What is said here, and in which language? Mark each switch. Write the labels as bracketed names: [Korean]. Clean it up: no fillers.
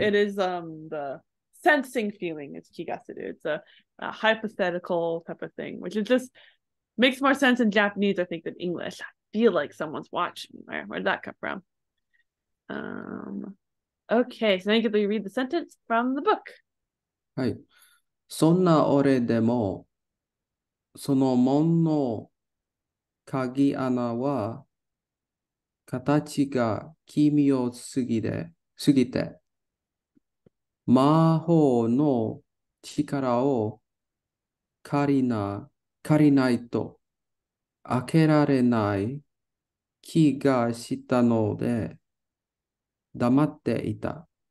[English] It is the sensing feeling is kigasuru. It's a hypothetical type of thing, which it just makes more sense in Japanese, I think, than English. I feel like someone's watching. Where'd that come from? Okay, so now you can read the sentence from the book. Hi. [Japanese] Sonna ore demo, sono mon no kagi ana wa 形が奇妙すぎて、すぎて、魔法の力を借りないと開けられない気がしたので黙っていた。